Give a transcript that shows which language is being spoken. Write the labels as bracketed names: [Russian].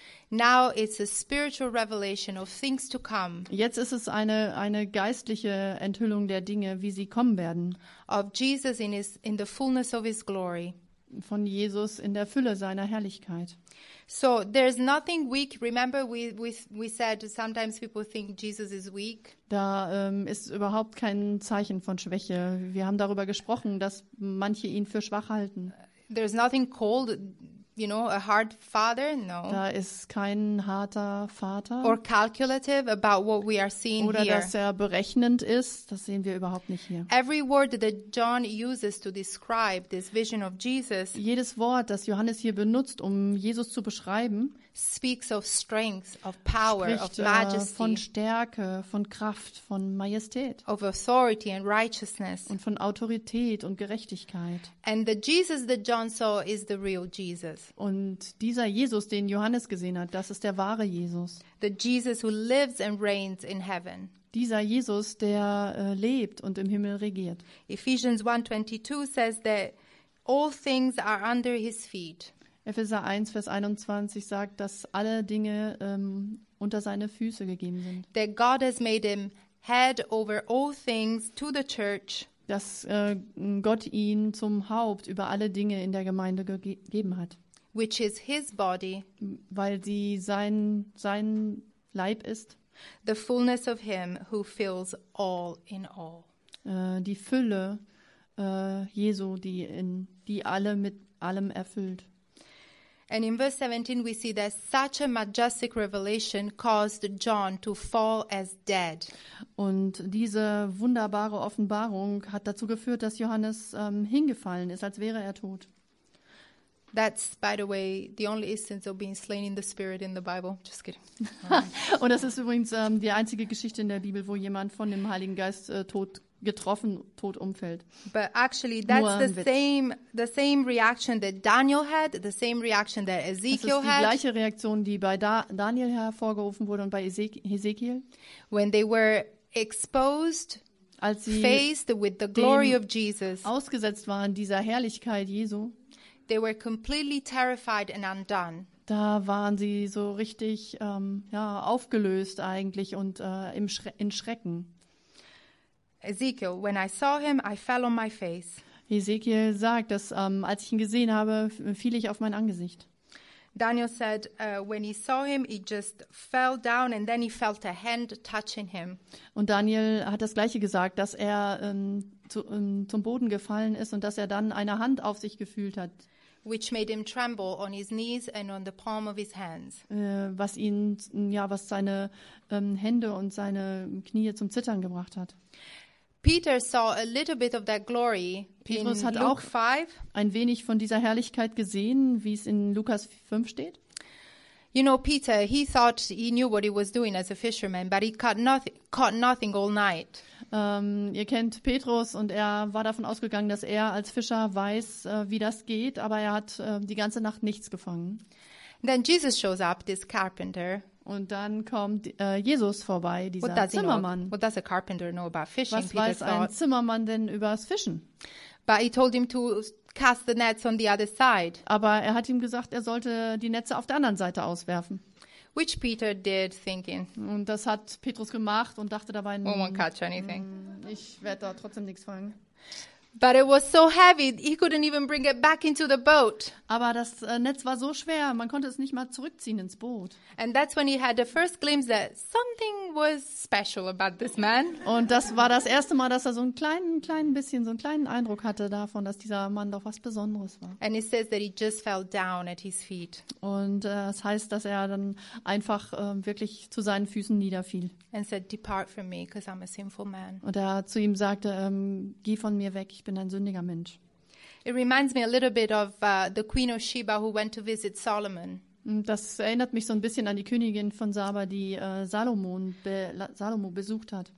[English] Now it's a spiritual revelation of things to come. [German] Jetzt ist es eine geistliche Enthüllung der Dinge, wie sie kommen werden. [English] Of Jesus in the fullness of his glory. [German] Von Jesus in der Fülle seiner Herrlichkeit. [English] So there's nothing weak. Remember we said sometimes people think Jesus is weak. [German] Da ist überhaupt kein Zeichen von Schwäche. Wir haben darüber gesprochen, dass manche ihn für schwach halten. [English] There's nothing cold, you know, a hard father, no. [German] Da ist kein harter Vater. [English] Or calculative about what we are seeing [German] oder [English] here. [German] Oder dass er berechnend ist, das sehen wir überhaupt nicht hier. [English] Every word that John uses to describe this vision of Jesus. [German] Jedes Wort, das Johannes hier benutzt, um Jesus zu beschreiben, [English] speaks of strength, of power, [German] spricht, [English] of majesty. [German] Von Stärke, von Kraft, von Majestät. [English] Of authority and righteousness. [German] Und von Autorität und Gerechtigkeit. [English] And the Jesus that John saw is the real Jesus. [German] Und dieser Jesus, den Johannes gesehen hat, das ist der wahre Jesus. [English] The Jesus who lives and reigns in heaven. [German] Dieser Jesus, der lebt und im Himmel regiert. [English] Ephesians 1:22 says that all things are under his feet. [German] Epheser 1, Vers 21 sagt, dass alle Dinge unter seine Füße gegeben sind. [English] That God has made him head over all things to the church. [German] Dass Gott ihn zum Haupt über alle Dinge in der Gemeinde gegeben hat. [English] Which is his body. [German] Weil sie sein Leib ist. [English] The fullness of him who fills all in all. [German] Die Fülle Jesu, die alle mit allem erfüllt. [English] And in verse 17 we see that such a majestic revelation caused John to fall as dead. [German] Und diese wunderbare Offenbarung hat dazu geführt, dass Johannes hingefallen ist, als wäre er tot. [English] That's by the way the only instance of being slain in the spirit in the Bible. Just kidding. [German] Und das ist übrigens die einzige Geschichte in der Bibel, wo jemand von dem Heiligen Geist tot umfällt. [English] But actually that's the same reaction that Daniel had, the same reaction that Ezekiel had. [German] Das ist die gleiche Reaktion, die bei Daniel hervorgerufen wurde und bei Ezekiel. [English] When they were exposed, [German] als sie [English] faced with the glory of Jesus, [German] ausgesetzt waren dieser Herrlichkeit Jesu, [English] they were completely terrified and undone. [German] Da waren sie so richtig aufgelöst eigentlich und in Schrecken. [English] Ezekiel, when I saw him, I fell on my face. [German] Ezekiel sagt, dass als ich ihn gesehen habe, fiel ich auf mein Angesicht. [English] Daniel said, when he saw him, he just fell down and then he felt a hand touching him. [German] Und Daniel hat das Gleiche gesagt, dass er zum Boden gefallen ist und dass er dann eine Hand auf sich gefühlt hat. [English] Which made him tremble on his knees and on the palm of his hands. [German] Was seine Hände und seine Knie zum Zittern gebracht hat. [English] Peter saw a little bit of that glory. [German] Petrus [English] in [German] hat [English] Luke [German] auch [English] 5. [German] Ein wenig von dieser Herrlichkeit gesehen, wie es in Lukas 5 steht. [English] You know, Peter, he thought he knew what he was doing as a fisherman, but he caught nothing all night. [German] Ihr kennt Petrus und er war davon ausgegangen, dass er als Fischer weiß, wie das geht, aber er hat die ganze Nacht nichts gefangen. [English] Then Jesus shows up, this carpenter. [German] Und dann kommt Jesus vorbei, dieser Zimmermann. [English] What does a carpenter know about fishing? [German] Was weiß ein Zimmermann denn über das Fischen? [English] But he told him to cast the nets on the other side. [German] Aber er hat ihm gesagt, er sollte die Netze auf der anderen Seite auswerfen. [English] Which Peter did thinking. [German] Und das hat Petrus gemacht und dachte dabei, [English] we won't catch anything. [German] Ich werde da trotzdem nichts fangen. [English] But it was so heavy, he couldn't even bring it back into the boat. [German] Aber das Netz war so schwer, man konnte es nicht mal zurückziehen ins Boot. [English] And that's when he had the first glimpse that something was special about this man. [German] Und das war das erste Mal, dass er so einen kleinen Eindruck hatte davon, dass dieser Mann doch was Besonderes war. [English] And it says that he just fell down at his feet. [German] Und das heißt, dass er dann einfach wirklich zu seinen Füßen niederfiel. [English] And said, "Depart from me, because I'm a sinful man." [German] Und er zu ihm sagte, geh von mir weg. Ich bin ein sündiger Mensch. [English] It reminds me a little bit of the Queen of Sheba who went to visit Solomon. [German] Das erinnert mich so ein bisschen an die Königin von Saba, die Salomo besucht hat.